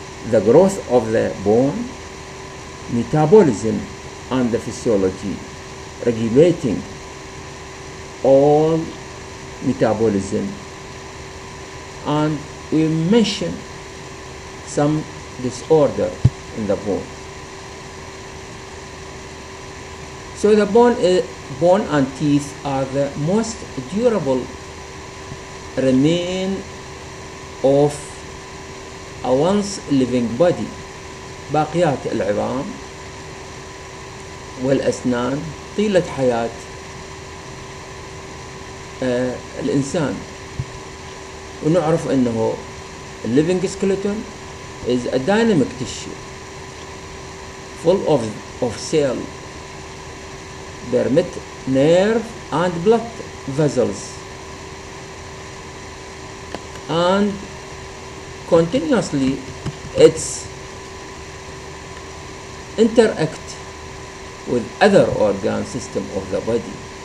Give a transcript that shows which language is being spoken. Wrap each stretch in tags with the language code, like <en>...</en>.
<en>the growth of the bone, metabolism and the physiology regulating all metabolism, and we mention some disorder in the bone. So the bone and teeth are the most durable remain of a once living body.</en> <ar>باقيات العظام والأسنان طيلة حياة الإنسان. ونعرف أنه</ar> <en>living skeleton is a dynamic tissue full of cell permit nerve and blood vessels and continuously it's interact with other organ system of the body.</en>